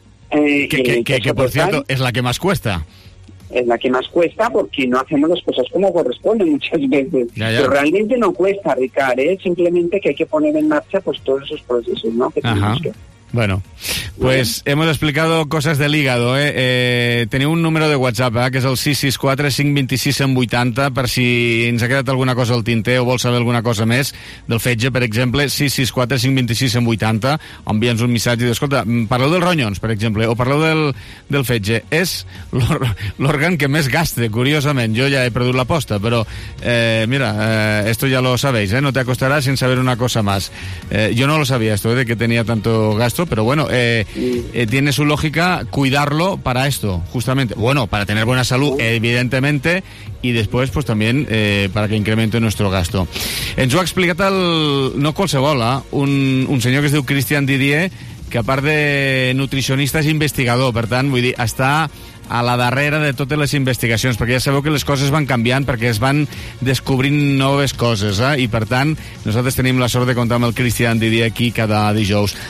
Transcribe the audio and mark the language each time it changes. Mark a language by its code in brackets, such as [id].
[es] Que por cierto, es la que más cuesta. Es la que más cuesta porque no hacemos las cosas como corresponde muchas veces. Ya. Pero realmente no cuesta, Ricardo, simplemente que hay que poner en marcha pues todos esos procesos, ¿no? Bueno, pues hemos explicado cosas del hígado, ¿eh? [ca] Teniu un número de WhatsApp, que és el 664-526-180, per si ens ha quedat alguna cosa al tinter o vols saber alguna cosa més del fetge, per exemple, 664-526-180, envia'ns un missatge i dius, escolta, parleu dels ronyons, per exemple, o parleu del fetge. És l'òrgan que més gaste, curiosament. Jo ja he perdut l'aposta, però, [es] esto ya lo sabéis, [ca] ¿eh? [es] No te acostarás sin saber una cosa más. Yo no lo sabía esto, de que tenía tanto gasto. Pero bueno, tiene su lógica cuidarlo para esto, justamente. Bueno, para tener buena salud, evidentemente, y después pues también para que incremente nuestro gasto. [ca] Ens ho ha explicat un senyor que es diu Christian Didier, que a part de nutricionista és investigador, per tant, vull dir, està a la darrera de totes les investigacions, perquè ja sabeu que les coses van canviant perquè es van descobrint noves coses, eh? I per tant, nosaltres tenim la sort de comptar amb el Cristian Didier aquí cada dijous.